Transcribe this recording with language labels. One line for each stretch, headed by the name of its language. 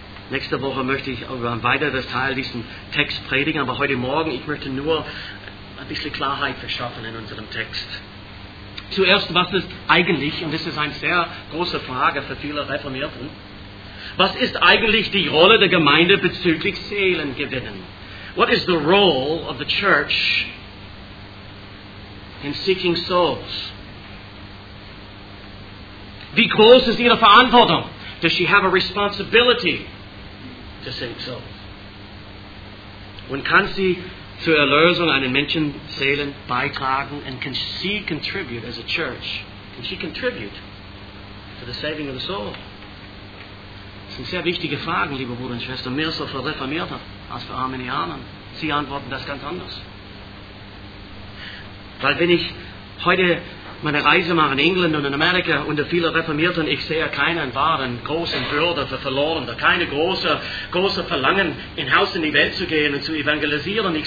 German: Nächste Woche möchte ich über ein weiteres Teil diesen Text predigen, aber heute Morgen, ich möchte nur ein bisschen Klarheit verschaffen in unserem Text. Zuerst, was ist eigentlich, und das ist eine sehr große Frage für viele Reformierten, was ist eigentlich die Rolle der Gemeinde bezüglich Seelengewinnen?
English: What is the role of the church in seeking souls?
German: Wie groß ist ihre Verantwortung?
English: Does she have a responsibility to save souls?
German: Und kann sie zur Erlösung einer Menschenseelen beitragen?
English: And can she contribute as a church? Can she contribute to the saving of the soul?
German: Das sind sehr wichtige Fragen, liebe Bruder und Schwester, mehr so für Reformierte als für Arminianer. Sie antworten das ganz anders. Weil wenn ich heute meine Reise mache in England und in Amerika unter vielen Reformierten, ich sehe keinen wahren großen Bürde für Verlorene, keine große Verlangen, in Haus in die Welt zu gehen und zu evangelisieren.